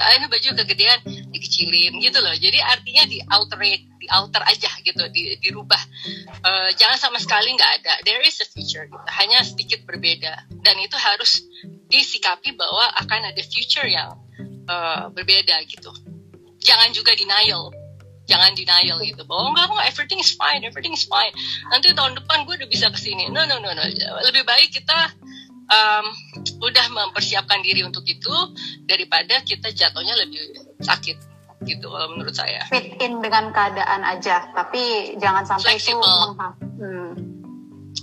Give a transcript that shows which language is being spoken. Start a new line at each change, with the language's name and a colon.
Indonesian: Ah, ini baju kegedean, dikecilin gitu loh. Jadi artinya di alter, di alter aja gitu, dirubah. Jangan sama sekali enggak ada.
English: There is a future
Indonesian: gitu. Hanya sedikit berbeda dan itu harus disikapi bahwa akan ada future yang berbeda gitu. Jangan juga denial. Jangan denial gitu. Bahwa enggak,
English: everything is fine, everything is fine.
Indonesian: Nanti tahun depan gue udah bisa kesini. No. Lebih baik kita udah mempersiapkan diri untuk itu daripada kita jatuhnya lebih sakit gitu kalau menurut saya. Fit in dengan keadaan aja, tapi jangan sampai
English: flexible.
Indonesian: Itu